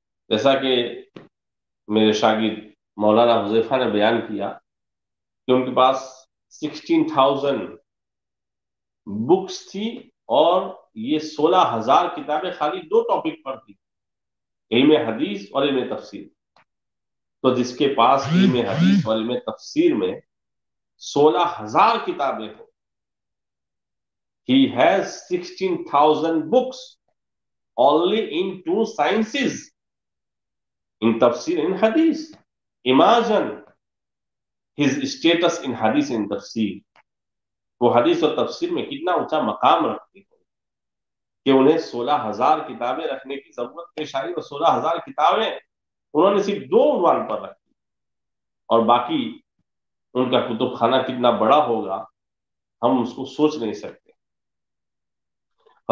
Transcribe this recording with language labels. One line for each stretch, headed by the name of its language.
Hindi: जैसा कि मेरे शागिर्द मौलाना हुज़ैफ़ा ने बयान किया कि उनके पास 16,000 बुक्स थी और ये 16,000 किताबें खाली दो टॉपिक पर थी, इल्मे हदीस और इल्मे तफसीर। तो जिसके पास इल्मे हदीस और इल्मे तफसीर में 16,000 किताबें हो,
English: He has 16,000 books only in two sciences, in tafsir, in hadith. Imagine his status in hadith and tafsir.
Hindi: वो हदीस और तफसीर में कितना ऊंचा मकाम रखती है कि उन्हें 16,000 किताबें रखने की जरूरत पेश आई और 16,000 किताबें उन्होंने सिर्फ दो उनवान पर रखी और बाकी उनका कुतुबखाना कितना बड़ा होगा हम उसको सोच नहीं सकते।